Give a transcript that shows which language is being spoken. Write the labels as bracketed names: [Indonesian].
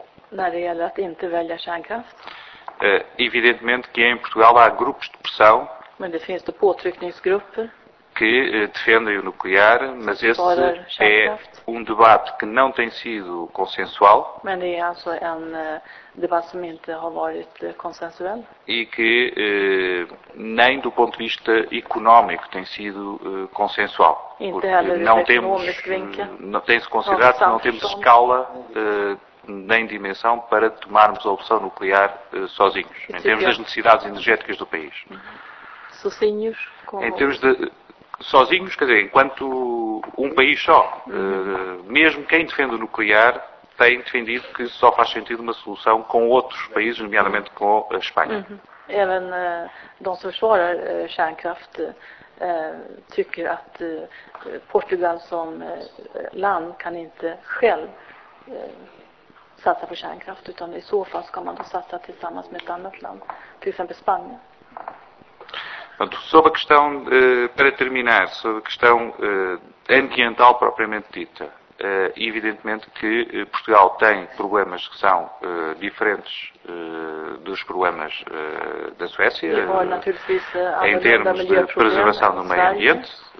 [Swedish] När det gäller att inte välja kärnkraft. [Portuguese] Evidentemente que em Portugal há grupos de pressão. [Swedish] Men det finns då påtryckningsgrupper. [Portuguese] Que defendem o nuclear, mas esse é um debate que não tem sido consensual. Mas é então um debate que não tem sido consensual. E que nem do ponto de vista económico tem sido consensual. Tem-se considerado que não temos escala nem dimensão para tomarmos a opção nuclear sozinhos, em termos das necessidades energéticas do país. Sozinhos? Em termos de. Sozinhos, quer dizer, enquanto um país só, mesmo quem defende o nuclear, tem defendido que só faz sentido uma solução com outros países, nomeadamente com a Espanha. [Swedish] Även de som försvarar kärnkraft tycker att Portugal som land kan inte själv satsa på kärnkraft, utan i så fall ska man då satsa tillsammans med ett annat land, till exempel Spanien. [Portuguese] Sobre a questão, para terminar, sobre a questão ambiental propriamente dita, evidentemente que Portugal tem problemas que são diferentes dos problemas da Suécia, em termos de preservação do meio ambiente,